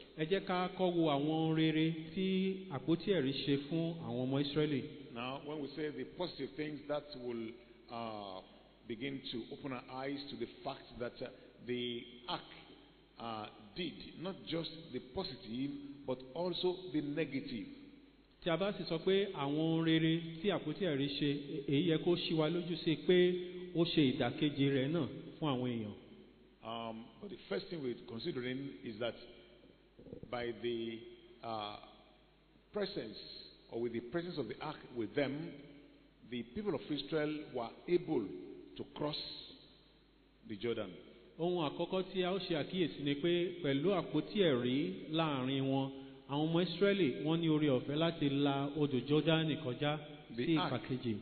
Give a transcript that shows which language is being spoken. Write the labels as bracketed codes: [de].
[yo] Ẹ jẹ́ ká kọ́ wo àwọn rere tí àpótí ẹ̀rí ṣe fún àwọn ọmọ Ísíráélì. [en] Now when we say the positive things that will begin to open our eyes to the fact that the ark did not just the positive but also the negative. [yo] Tí a bá sì sọ pé àwọn rere tí àpótí ẹ̀rí ṣe, èyí yẹ kó ṣí wa lójú sí pé ó ṣe ìdàkejì rẹ̀ náà fún àwọn èèyàn. [en] But the first thing we're considering is that by the presence or with the presence of the ark with them, the people of Israel were able to cross the Jordan. [yo] Ohun àkọ́kọ́ tí a ó ṣe àkíyèsí ni pé pẹ̀lú àpótí ẹ̀rí láàrin wọn, àwọn ọmọ Ísíráélì wọ́n ní orí ọ̀fẹ́ láti la odò Jordan kọjá sí ìpàkejì.